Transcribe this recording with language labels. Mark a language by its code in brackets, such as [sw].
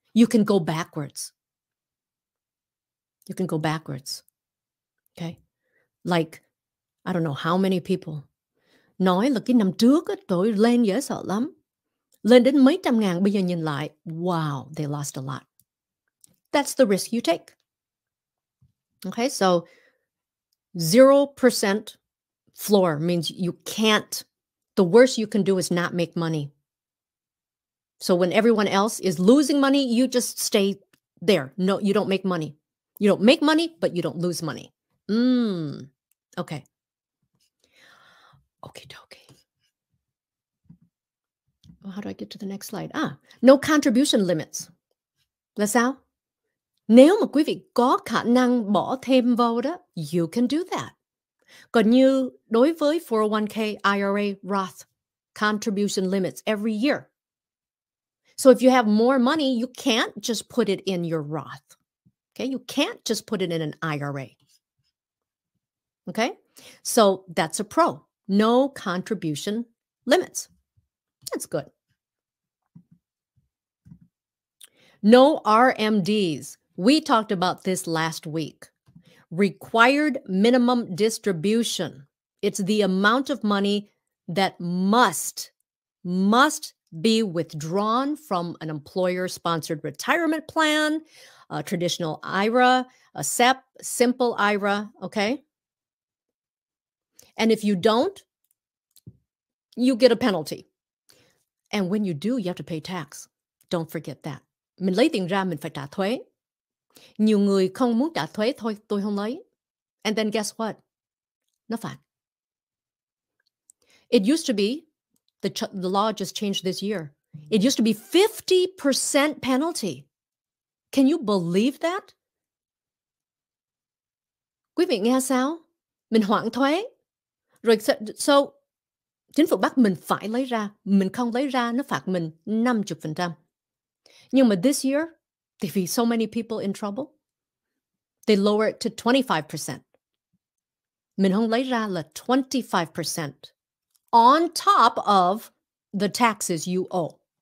[en] You can go backwards. You can go backwards. Okay? Like, I don't know how many people. [vi] Nói là cái năm trước á, tôi lên dễ sợ lắm. Lên đến mấy trăm ngàn, bây giờ nhìn lại, [en] wow, they lost a lot. That's the risk you take. Okay, so 0% floor means you can't, the worst you can do is not make money. So when everyone else is losing money, you just stay there. No, you don't make money. You don't make money, but you don't lose money. Okay. Okie dokie. Well, how do I get to the next slide? Ah, no contribution limits. [vi] Là sao? Nếu mà quý vị có khả năng bỏ thêm vào đó, [en] you can do that. [vi] Còn như đối với 401k, IRA, Roth, [en] contribution limits every year. So if you have more money, you can't just put it in your Roth. Okay, you can't just put it in an IRA. Okay, so that's a pro. No contribution limits. That's good. No RMDs. We talked about this last week. Required minimum distribution. It's the amount of money that must be withdrawn from an employer-sponsored retirement plan, a traditional IRA, a SEP, simple IRA, okay? And if you don't, you get a penalty. And when you do, you have to pay tax. Don't forget that. [vi] Mình lấy tiền ra, mình phải trả thuế. Nhiều người không muốn trả thuế, thôi, tôi không lấy. [en] And then guess what? [vi] Nó phạt. [en] It used to be, the law just changed this year. It used to be 50% penalty. Can you believe that? [vi] Quý vị nghe sao? Mình hoãn thuế. Rồi, so, chính phủ bắt mình phải lấy ra. Mình không lấy ra, nó phạt mình 50%. Nhưng mà [en] this year, there be so many people in trouble. They lower it to 25%. [vi] Mình không lấy ra là [en] 25% on top of the taxes you owe.